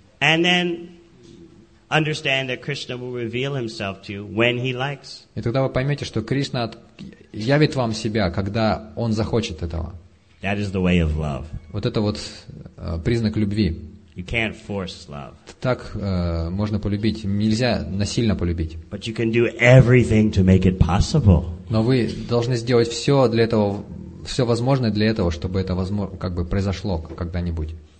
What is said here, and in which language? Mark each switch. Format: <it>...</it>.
<en>And then understand that Krishna will reveal himself to you when he likes.</en> <ru>И тогда вы поймете, что Кришна явит вам себя, когда он захочет этого.</ru> <en>That is the way of love.</en> <ru>Вот это вот признак любви.</ru> <en>You can't force love.</en> <ru>Так можно полюбить. Нельзя насильно полюбить.</ru> <en>But you can do everything to make it possible.</en> <ru>Но вы должны сделать все для этого, все возможное для этого, чтобы это возможно, как бы произошло когда-нибудь.</ru>